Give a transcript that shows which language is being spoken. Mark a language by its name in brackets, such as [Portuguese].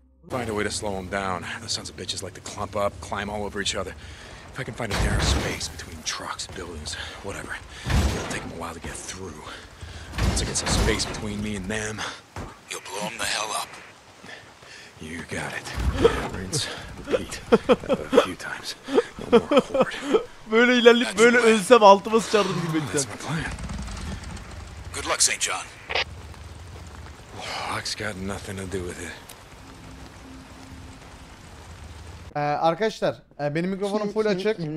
[English] Find a way to slow him down. The sons of bitches like to clump up, climb all over each other. If I can find a narrow space between trucks, buildings, whatever, it'll take him a while to get through. Once I get some space between me and them, you'll blow them the hell up. You got it. Rinse, repeat. A few times. No more horde. [Turkish] Böyle ilerleyip böyle ölsem altıma sıçardım gibi. [English] That's my plan. Good luck, St. John. Hawk's got nothing to do with it. [Turkish] Arkadaşlar, benim mikrofonum full açık.